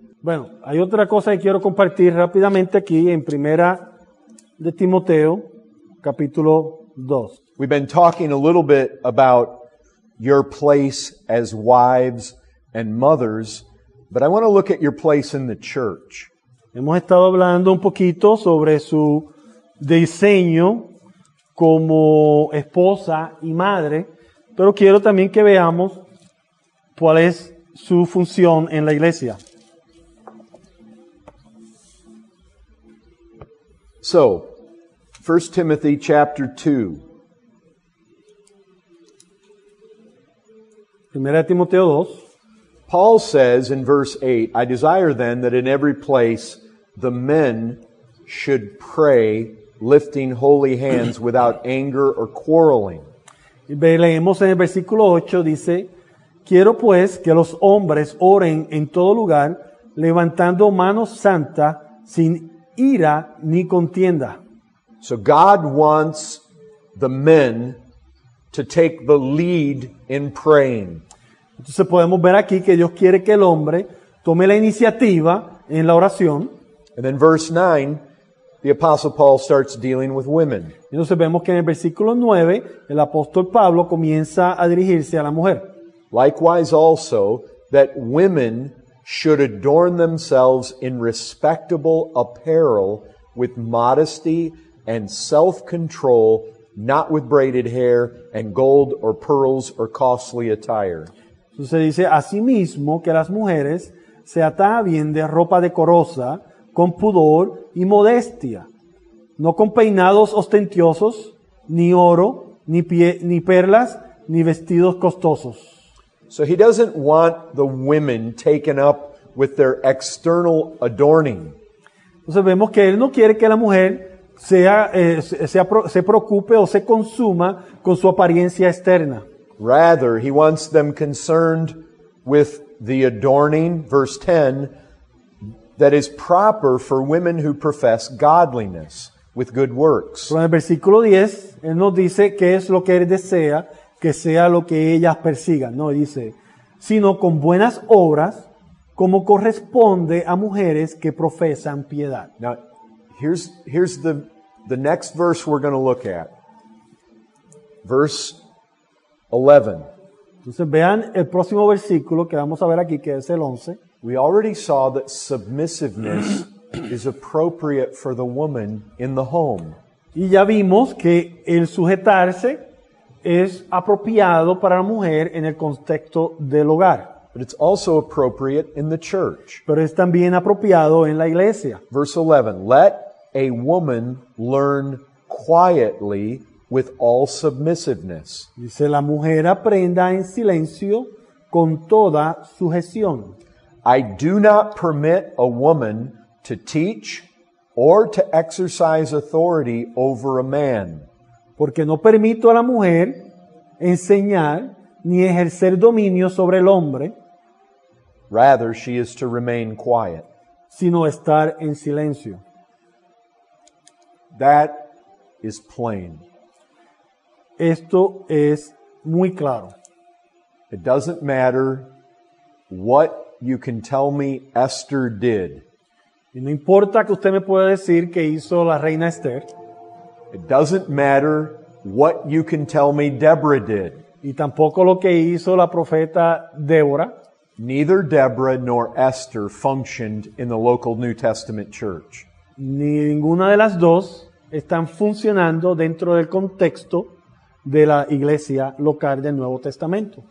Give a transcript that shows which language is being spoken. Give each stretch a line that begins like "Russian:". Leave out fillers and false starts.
Spanish: Bueno, hay otra cosa que quiero compartir rápidamente aquí en Primera de Timoteo, capítulo 2.
English: We've been talking a little bit about your place as wives and mothers, but I want to look at your place in the church.
Spanish: Hemos estado hablando un poquito sobre su diseño como esposa y madre, pero quiero también que veamos cuál es su función en la iglesia.
English: So, 1 Timothy chapter 2.
Spanish: Primera de Timoteo 2.
English: Paul says in verse 8, I desire then that in every place the men should pray, lifting holy hands without anger or quarreling.
Spanish: Leemos en el versículo 8, dice, quiero pues que los hombres oren en todo lugar, levantando manos santas sin ira ni contienda.
English: So God wants the men to take the lead in praying.
Spanish: Entonces podemos ver aquí que Dios quiere que el hombre tome la iniciativa en la oración.
English: And then verse 9, the Apostle Paul starts dealing with women.
Spanish: Entonces vemos que en el versículo 9, el apóstol Pablo comienza a dirigirse a la mujer.
English: Likewise also, that women should adorn themselves in respectable apparel with modesty and self-control, not with braided hair and gold or pearls or costly attire.
Spanish: Entonces dice, asimismo que las mujeres se atavien de ropa decorosa, con pudor y modestia, no con peinados ostentosos, ni oro, ni perlas, ni vestidos costosos.
English: So he doesn't want the women taken up with their external adorning.
Spanish: Entonces vemos que él no quiere que la mujer se preocupe o se consuma con su apariencia externa.
English: Rather, he wants them concerned with the adorning, verse 10, that is proper for women who profess godliness with good works.
Spanish: Pero en el versículo 10, él nos dice qué es lo que él desea que sea lo que ellas persigan. No, dice, sino con buenas obras, como corresponde a mujeres que profesan piedad.
English: Now, here's the next verse we're going to look at. Verse 11.
Spanish: Entonces vean el próximo versículo que vamos a ver aquí, que es el 11.
English: We already saw that submissiveness is appropriate for the woman in the home.
Spanish: Y ya vimos que el sujetarse es apropiado para la mujer en el contexto del hogar.
English: But it's also appropriate in the church.
Spanish: Pero es también apropiado en la iglesia.
English: Verse 11, let a woman learn quietly with all submissiveness.
Spanish: Dice, la mujer aprenda en silencio con toda sujeción.
English: I do not permit a woman to teach or to exercise authority over a man.
Spanish: Porque no permito a la mujer enseñar ni ejercer dominio sobre el hombre.
English: Rather, she is to remain quiet.
Spanish: Sino estar en silencio.
English: That is plain.
Spanish: Esto es muy claro.
English: It doesn't matter what you can tell me Esther did.
Spanish: Y no importa que usted me pueda decir que hizo la reina Esther.
English: It doesn't matter what you can tell me Deborah did.
Spanish: Y tampoco lo que hizo la profeta Débora.
English: Neither Deborah nor Esther functioned in the local New Testament church.
Spanish: Ni ninguna de las dos están funcionando dentro del contexto de la iglesia local del Nuevo Testamento.